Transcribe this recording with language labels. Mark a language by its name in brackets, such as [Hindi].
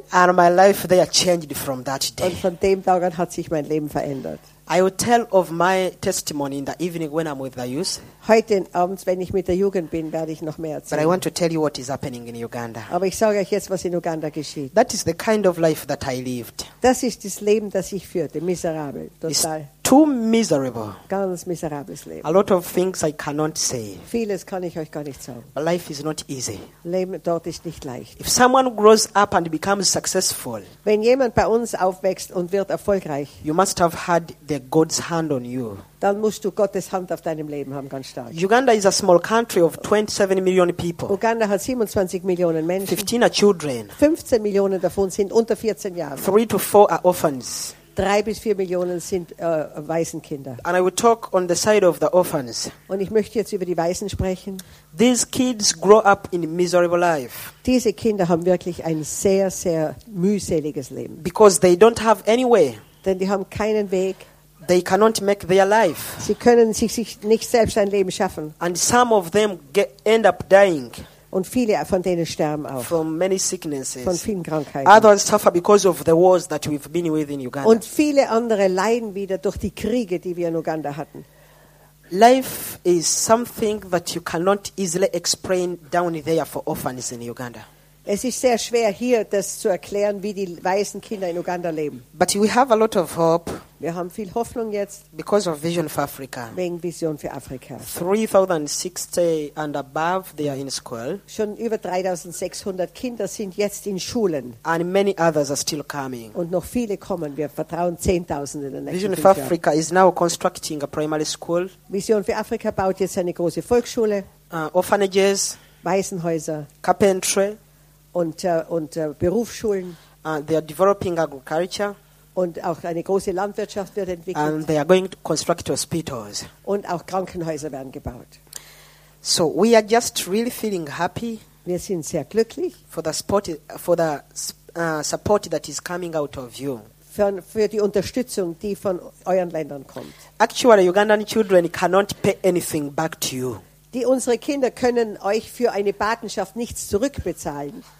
[English] And my life there changed from that day. [German] Und von dem Tag an hat sich mein Leben verändert. [English] I will tell of my testimony in the evening when I'm with the youth. [German] Heute Abend, wenn ich mit der Jugend bin, werde ich noch mehr erzählen. [English] But I want to tell you what is happening in Uganda. [German] Aber ich sage euch jetzt, was in Uganda geschieht. [English] That is the kind of life that I lived. [German] Das ist das Leben, das ich führte. Miserabel. Total. [English] It's too miserable. [German] Ganz miserables Leben. [English] A lot of things I cannot say. [German] Vieles kann ich euch gar nicht sagen. [English] But life is not easy. [German] Leben dort ist nicht leicht. [English] If someone grows up and becomes successful. [German] Wenn jemand bei uns aufwächst und wird erfolgreich. [English] You must have had the God's hand on you. [German] Dann musst du Gottes Hand auf deinem Leben haben, ganz stark. [English] Uganda is a small country of 27 million people. [German] Uganda hat 27 Millionen Menschen. [English] 15 are children. [German] 15 Millionen davon sind unter 14 Jahren. [English] 3 to 4 are orphans. [German] 3 bis 4 Millionen sind Waisenkinder. [English] And I will talk on the side of the orphans. [German] Und ich möchte jetzt über die Waisen sprechen. [English] These kids grow up in a miserable life. [German] Diese Kinder haben wirklich ein sehr, sehr mühseliges Leben. [English] Because they don't have any way. [German] Denn die haben keinen Weg. [English] They cannot make their life. [German] Sie können sich nicht selbst ein Leben schaffen. [English] And some of them end up dying. [German] Und viele von denen sterben auch. [English] From many sicknesses. [German] Von vielen Krankheiten. [English] Others suffer because of the wars that we've been with in Uganda. [German] Und viele andere leiden wieder durch die Kriege, die wir in Uganda hatten. [English] Life is something that you cannot easily explain down there for orphans in Uganda. [German] Es ist sehr schwer hier das zu erklären, wie die weißen Kinder in Uganda leben. [English] But we have a lot of hope. [German] Wir haben viel Hoffnung jetzt. [English] Because of Vision for Africa. [German] Wegen Vision für Afrika. [English] 3,060 and above, they are in school. [German] Schon über 3,600 Kinder sind jetzt in Schulen. [English] And many others are still coming. [German] Und noch viele kommen. Wir vertrauen 10,000 in der nächsten [English] Vision für Afrika is now constructing a primary school. [German] Vision für Afrika baut jetzt eine große Volksschule. [English] Orphanages. [German] Waisenhäuser. [English] Carpentry. [German] Und Berufsschulen. [English] They are developing agriculture. [German] Und auch eine große Landwirtschaft wird entwickelt. [English] And they are going to construct hospitals. [German] Und auch Krankenhäuser werden gebaut. [English] So we are just really feeling happy. [German] Wir sind sehr glücklich. [English] For the support that is coming out of you. [German] Für die Unterstützung, die von euren Ländern kommt. [English] Actually, Ugandan children cannot pay anything back to you. [German] Die unsere Kinder können euch für eine Patenschaft nichts zurückbezahlen.